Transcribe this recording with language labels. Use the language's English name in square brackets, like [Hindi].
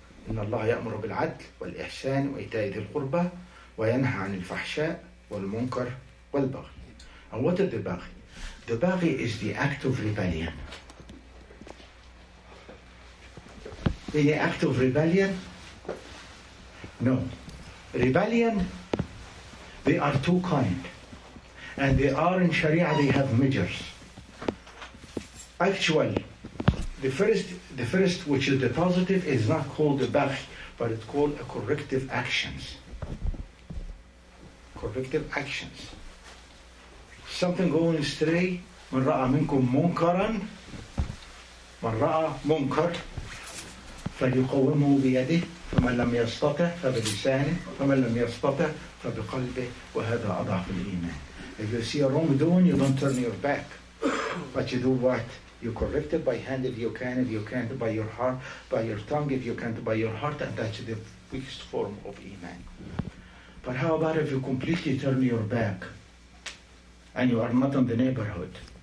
[Arabic] إن الله يأمر بالعدل والإحسان وإيتاء ذي القربى وينهى عن الفحشاء والمنكر والبغي. [English] And what is the baghi? The baghi is the act of rebellion. Any act of rebellion? No. Rebellion, they are two kind. And they are in Sharia, they have measures. Actually, The first, which is the positive, is not called a baghi, but it's called a corrective actions. Corrective actions. Something going astray, [Arabic] من رأى منكم منكرا, من رأى منكر, فليقومه بيده, فمن لم يستطع فبلسانه, فمن لم يستطع فبقلبه, وهذا أضعف الإيمان. [English] If you see a wrongdoing, you don't turn your back. But you do what? You correct it by hand if you can, if you can't by your heart, by your tongue if you can't by your heart, and that's the weakest form of iman. But how about if you completely turn your back and you are not in the neighborhood?